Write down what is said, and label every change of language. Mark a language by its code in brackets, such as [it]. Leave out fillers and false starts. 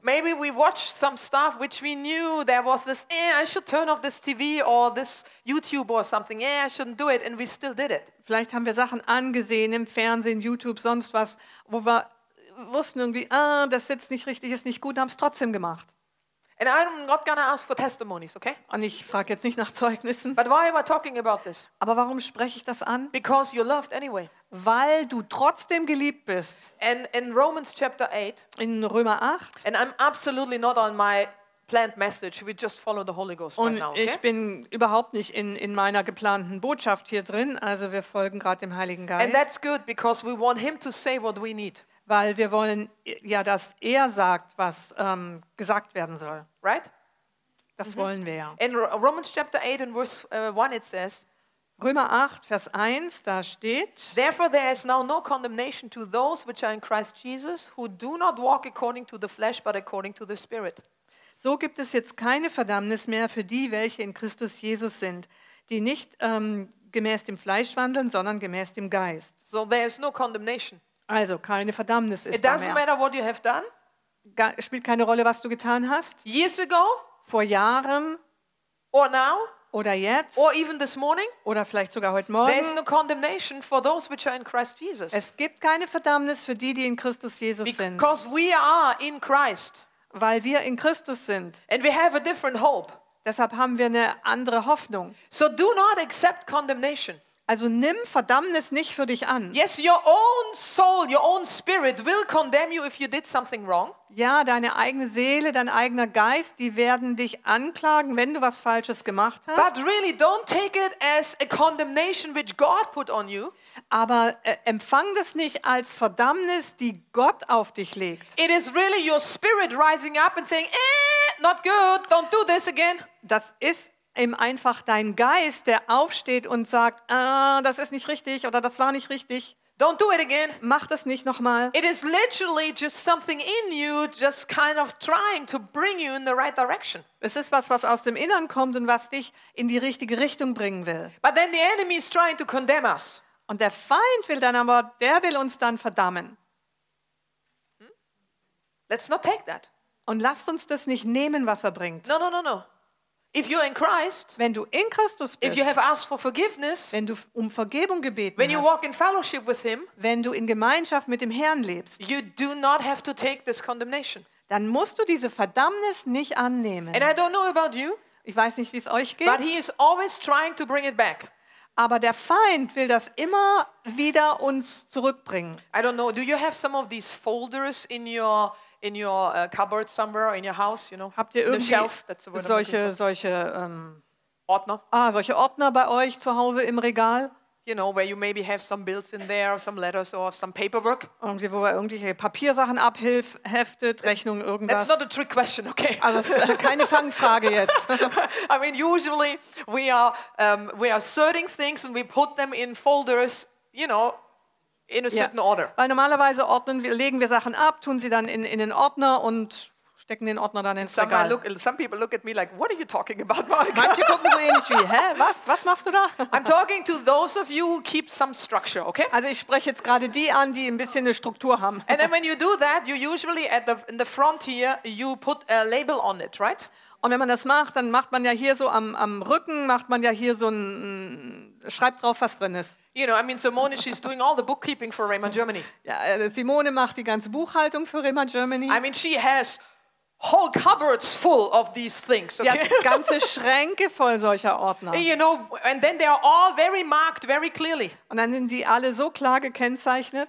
[en] Maybe we watched some stuff which we knew there was this, I should turn off this TV or this YouTube or something. I shouldn't do it and we still did it. [de] Vielleicht haben wir Sachen angesehen im Fernsehen, YouTube, sonst was, wo wir wussten irgendwie, das sitzt nicht richtig, ist nicht gut, haben es trotzdem gemacht. [en] And I'm not gonna ask for testimonies, okay? [de] Und ich frage jetzt nicht nach Zeugnissen. [en] But why am I talking about this? [de] Aber warum spreche ich das an? [en] Because you're loved anyway. [de] Weil du trotzdem geliebt bist. [en] And in Romans chapter 8. [de] In Römer 8. [en] And I'm absolutely not on my planned message. We just follow the Holy Ghost right now, okay? [de] Und ich bin überhaupt nicht in meiner geplanten Botschaft hier drin. Also wir folgen gerade dem Heiligen Geist. [en] And that's good because we want him to say what we need. [de] Weil wir wollen ja, dass er sagt, was gesagt werden soll. [en] Right? [de] Das wollen wir ja. [en] In Romans chapter 8 and verse 1 it says, [de] Römer 8, Vers 1, da steht, [en] therefore there is now no condemnation to those which are in Christ Jesus, who do not walk according to the flesh, but according to the Spirit. [de] So gibt es jetzt keine Verdammnis mehr für die, welche in Christus Jesus sind, die nicht gemäß dem Fleisch wandeln, sondern gemäß dem Geist. [en] So there is no condemnation. [de] Also keine Verdammnis ist da mehr. [en] It doesn't matter what you have done. [de] Spielt keine Rolle, was du getan hast. [en] Years ago. [de] Vor Jahren. [en] Or now. [de] Oder jetzt. [en] Or even this morning. [de] Oder vielleicht sogar heute Morgen. [en] There is no condemnation for those which are in Christ Jesus. [de] Es gibt keine Verdammnis für die, die in Christus Jesus sind. [en] Because we are in Christ. [de] Weil wir in Christus sind. [en] And we have a different hope. [de] Deshalb haben wir eine andere Hoffnung. [en] So do not accept condemnation. [de] Also nimm Verdammnis nicht für dich an. [en] Yes, your own soul, your own spirit will condemn you if you did something wrong. [de] Ja, deine eigene Seele, dein eigener Geist, die werden dich anklagen, wenn du was Falsches gemacht hast. [en] But really, don't take it as a condemnation which God put on you. [de] Aber empfang das nicht als Verdammnis, die Gott auf dich legt. [en] It is really your spirit rising up and saying, not good, don't do this again. [de] Das ist eben einfach dein Geist, der aufsteht und sagt, das ist nicht richtig oder das war nicht richtig. [en] Don't do it again. [de] Mach das nicht nochmal. [en] It is literally just something in you, just kind of trying to bring you in the right direction. [de] Es ist was aus dem Innern kommt und was dich in die richtige Richtung bringen will. [en] But then the enemy is trying to condemn us. [de] Und der Feind will dann aber, der will uns dann verdammen. [en] Let's not take that. [de] Und lasst uns das nicht nehmen, was er bringt. [en] No. If you're in Christ, [de] wenn du in Christus bist, [en] if you have asked for forgiveness, [de] wenn du um Vergebung gebeten [en] when you [de] hast, [en] walk in fellowship with him, [de] wenn du in Gemeinschaft mit dem Herrn lebst, [en] you do not have to take this condemnation. [de] dann musst du diese Verdammnis nicht annehmen. [en] And I don't know about you, [de] ich weiß nicht, wie es euch geht. [en] But he is always trying to bring it back. [de] Aber der Feind will das immer wieder uns zurückbringen. [en] I don't know. Do you have some of these folders in your cupboard somewhere in your house? You know, [de] habt ihr irgendwie shelf, solche Ordner? Solche Ordner bei euch zu Hause im Regal? [en] You know, where you maybe have some bills in there, some letters or some paperwork. [de] Irgendwie, wo er irgendwelche Papiersachen abhilft, heftet, Rechnungen, irgendwas. [en] That's not a trick question, okay? [de] Also es ist keine Fangfrage jetzt. [en] I mean, usually we are sorting things and we put them in folders, you know, in a certain order. [de] Weil normalerweise legen wir Sachen ab, tun sie dann in den Ordner und stecken den Ordner dann ins Regal. [en] Some people look at me like, what are you talking about, Mark? [de] Manche gucken so ähnlich wie, hä, was machst du da? [en] I'm talking to those of you who keep some structure, okay? [de] Also ich spreche jetzt gerade die an, die ein bisschen eine Struktur haben. [en] And then when you do that, you usually at the in the front here, you put a label on it, right? [de] Und wenn man das macht, dann macht man ja hier so am Rücken, macht man ja hier so ein, schreibt drauf, was drin ist. [en] You know, I mean, Simone, she's doing all the bookkeeping for Rema Germany. [de] Ja, Simone macht die ganze Buchhaltung für Rema Germany. [en] I mean, she has whole cupboards full of these things. Okay? [de] Die hat ganze Schränke voll solcher Ordner. [en] You know, and then they are all very marked, very clearly. [de] Und dann sind die alle so klar gekennzeichnet.